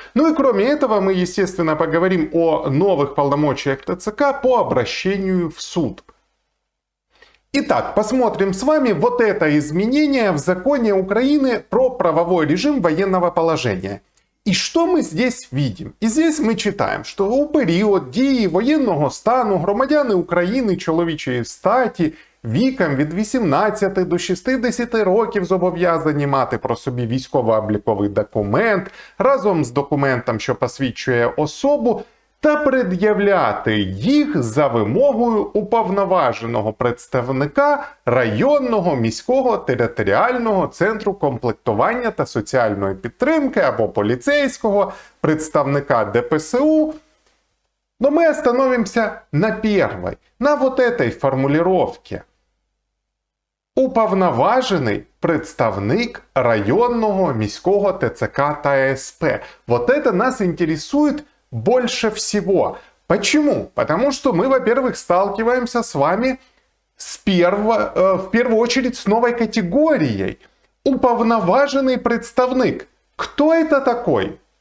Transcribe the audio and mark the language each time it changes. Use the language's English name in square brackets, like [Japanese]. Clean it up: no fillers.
[Russian] Ну и кроме этого, мы, естественно, поговорим о новых полномочиях ТЦК по обращению в суд. Итак, посмотрим с вами вот это изменение в законе Украины про правовой режим военного положения. И что мы здесь видим? И здесь мы читаем, что [Ukrainian] у період дії воєнного стану громадяни України чоловічої статі віком від 18 до 60 років зобов'язані мати про собі військово-обліковий документ разом з документом, що посвідчує особу, та пред'являти їх за вимогою уповноваженого представника районного, міського, територіального центру комплектування та соціальної підтримки або поліцейського представника ДПСУ. [Russian] Но ми остановимося на первой, на вот этой формулировке. [Ukrainian] Уповноважений представник районного, міського ТЦК та СП. [Russian] Вот это нас интересует больше всего. Почему? Потому что мы, во-первых, сталкиваемся с вами в первую очередь с новой категорией. Уповноваженный представник. Кто это такой?